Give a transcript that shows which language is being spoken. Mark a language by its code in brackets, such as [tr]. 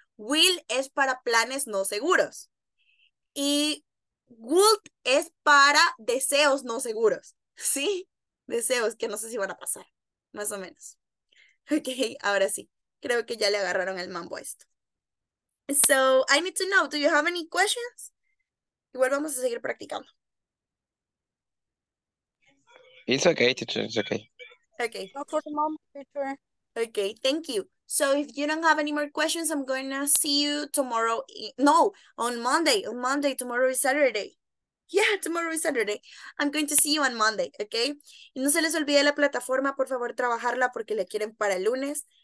[es] Will es para planes no seguros. Y would es para deseos no seguros. ¿Sí? Deseos que no sé si van a pasar. Más o menos. Ok, ahora sí. Creo que ya le agarraron el mambo a esto. [en] So, I need to know, do you have any questions? [es] Igual vamos a seguir practicando. [en] It's okay, teacher. It's okay. Okay. Not for the moment, teacher. Okay, thank you. So if you don't have any more questions, I'm going to see you tomorrow. No, on Monday. On Monday, tomorrow is Saturday. Yeah, tomorrow is Saturday. I'm going to see you on Monday, okay? [es] Y no se les olvide la plataforma, por favor, trabajarla porque la quieren para el lunes.